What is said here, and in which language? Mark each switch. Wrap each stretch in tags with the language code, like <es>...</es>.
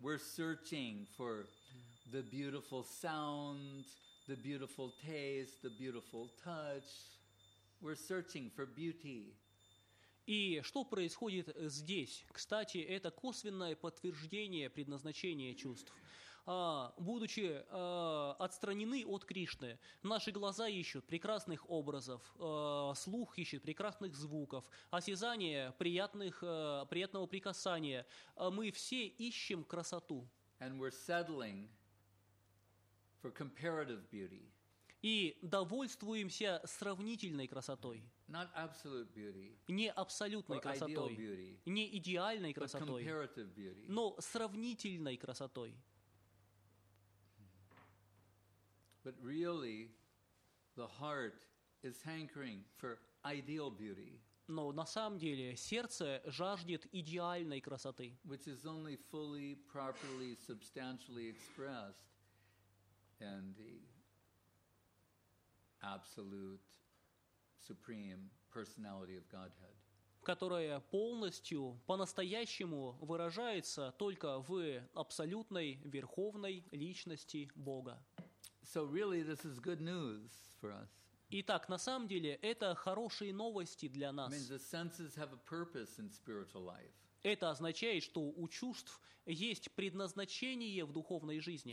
<en>We're searching for the beautiful sound, the beautiful taste, the beautiful touch. We're searching for beauty.</en> <ru>И что происходит здесь? Кстати, это косвенное подтверждение предназначения чувств. Будучи отстранены от Кришны, наши глаза ищут прекрасных образов, слух ищет прекрасных звуков, осязание приятных, приятного прикасания. Мы все ищем красоту.</ru> <en>And we're settling for comparative beauty.</en> <ru>И довольствуемся сравнительной красотой.</ru> <en>Not absolute beauty,</en> <ru>не абсолютной красотой,</ru> <en>ideal beauty,</en> <ru>не идеальной красотой,</ru> <en>but comparative beauty.</en> <ru>Но сравнительной красотой.</ru> <en>But really, the heart is hankering for ideal beauty.</en> <ru>Но на самом деле сердце жаждет идеальной красоты.</ru> <en>Which is only fully, properly, substantially expressed in the absolute, supreme personality of Godhead.</en> <ru>Которая полностью, по-настоящему выражается только в абсолютной верховной личности Бога.</ru> <en>So really, this is good news for us.</en> <ru>Итак, на самом деле, это хорошие новости для нас.</ru> <en>Means the senses have a purpose in spiritual life.</en> <ru>Это означает, что у чувств есть предназначение в духовной жизни.</ru>